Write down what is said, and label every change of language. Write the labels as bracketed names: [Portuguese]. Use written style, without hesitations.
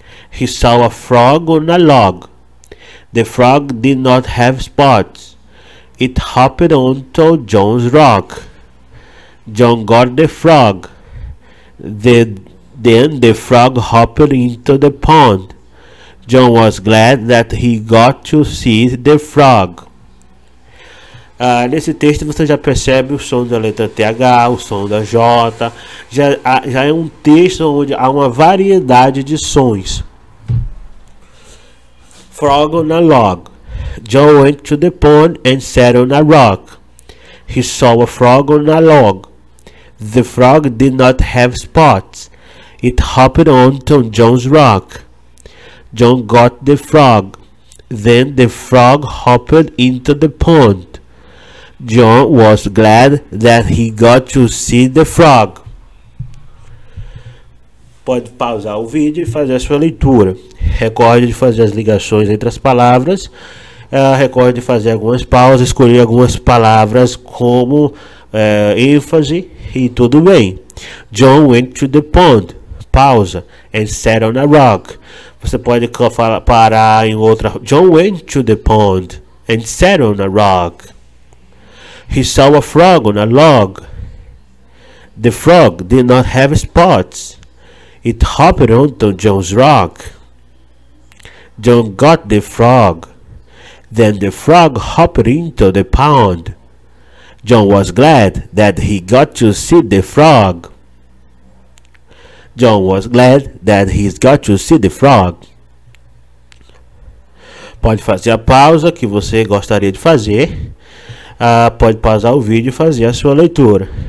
[English] He saw a frog on a log. The frog did not have spots. It hopped onto John's rock. John got the frog. Then the frog hopped into the pond. John was glad that he got to see the frog. [Portuguese] Nesse texto você já percebe o som da letra TH, o som da J. Já é um texto onde há uma variedade de sons. [English] Frog on a log. John went to the pond and sat on a rock. He saw a frog on a log. The frog did not have spots. It hopped onto John's rock. John got the frog. Then the frog hopped into the pond. John was glad that he got to see the frog. [Portuguese] Pode pausar o vídeo e fazer a sua leitura. Recorde de fazer as ligações entre as palavras. Recorde de fazer algumas pausas, escolher algumas palavras como ênfase e tudo bem. [English] John went to the pond. Pausa. And sat on a rock. [Portuguese] Você pode parar em outra. [English] John went to the pond and sat on a rock. He saw a frog on a log. The frog did not have spots. It hopped onto John's rock. John got the frog. Then the frog hopped into the pond. John was glad that he got to see the frog. John was glad that he's got to see the frog. [Portuguese] Pode fazer a pausa que você gostaria de fazer. Pode pausar o vídeo e fazer a sua leitura.